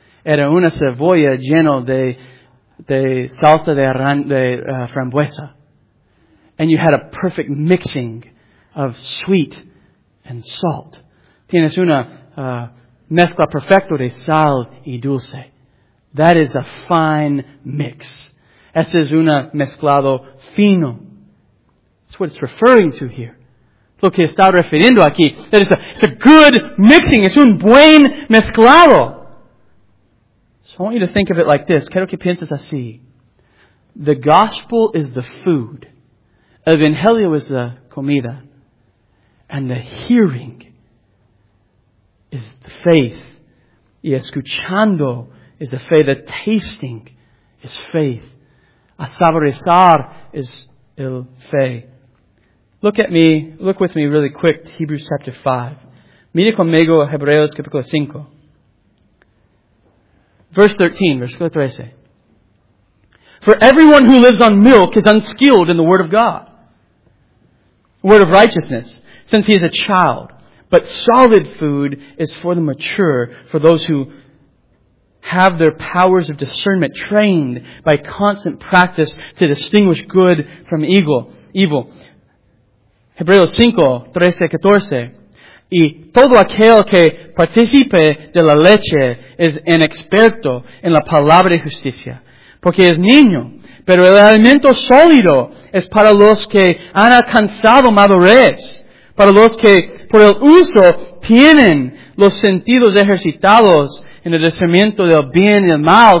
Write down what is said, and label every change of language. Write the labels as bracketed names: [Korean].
[Spanish] Era una cebolla llena de salsa de frambuesa. [English] And you had a perfect mixing of sweet and salt. [Spanish] Tienes una mezcla perfecta de sal y dulce. [English] That is a fine mix. [Spanish] Ese es una mezclado fino. [English] That's what it's referring to here. [Spanish] Lo que está refiriendo aquí. [English] That is it's a good mixing. [Spanish] Es un buen mezclado. [English] I want you to think of it like this. [Spanish] Quiero que pienses así. [English] The gospel is the food. Evangelio is the comida. And the hearing is the faith. Y escuchando is the faith. The tasting is faith. [Spanish] A saborizar [English] is el fe. Look with me really quick to Hebrews chapter 5. [Spanish] Mira conmigo a Hebreos capítulo 5. [English] Verse 13, [Spanish] versículo 13. [English] For everyone who lives on milk is unskilled in the word of God, word of righteousness, since he is a child. But solid food is for the mature, for those who have their powers of discernment trained by constant practice to distinguish good from evil. [Spanish] Hebreos 5, 13, 14. Y todo aquel que participe de la leche es inexperto en la palabra de justicia, porque es niño. Pero el alimento sólido es para los que han alcanzado madurez, para los que por el uso tienen los sentidos ejercitados en el discernimiento del bien y el mal.